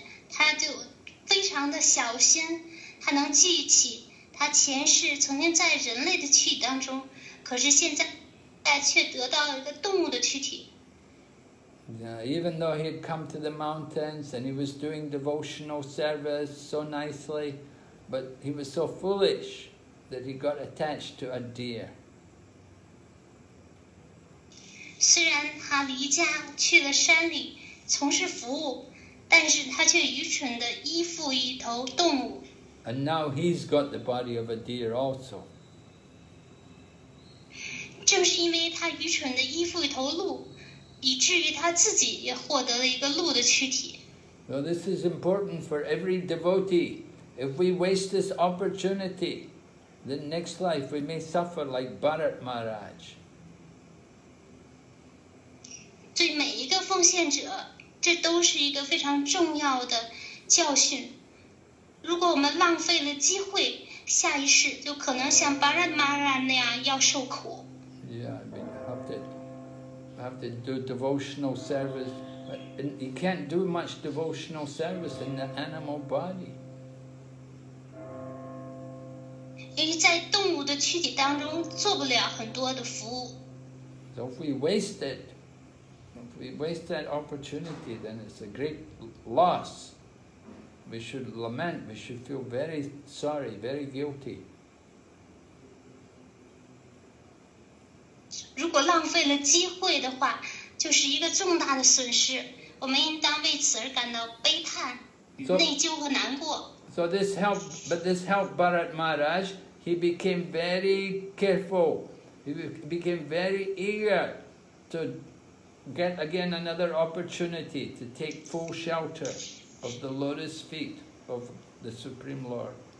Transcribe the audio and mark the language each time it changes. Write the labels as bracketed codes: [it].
[zh] 他就非常的小心，他能记起他前世曾经在人类的躯体当中，可是现在却得到了一个动物的躯体。 [en] Yeah, even though he had come to the mountains and he was doing devotional service so nicely, but he was so foolish that he got attached to a deer. [zh] 虽然他离家去了山里从事服务。但是他却愚蠢地依附一头动物。 [en] And now he's got the body of a deer also. [zh] 正是因为他愚蠢地依附一头鹿，以至于他自己也获得了一个鹿的躯体。 [en] So this is important for every devotee. If we waste this opportunity, then next life we may suffer like Bharat Maharaj. [zh] 对每一个奉献者。这都是一个非常重要的教训。如果我们浪费了机会，下一世就可能像巴拉玛拉那样要受苦。 [en] Yeah, I mean, have to do devotional service, but you can't do much devotional service in the animal body. [zh] 因为在动物的躯体当中做不了很多的服务。 [en] So if we waste it. If we waste that opportunity, then it's a great loss. We should lament, we should feel very sorry, very guilty. [zh] 如果浪费了机会的话，就是一个重大的损失。我们应当为此而感到悲叹、内疚和难过。 [en] So this helped, but this helped Bharat Maharaj. He became very careful. He became very eager to. Get again another opportunity to take full shelter of the lotus feet of the Supreme Lord.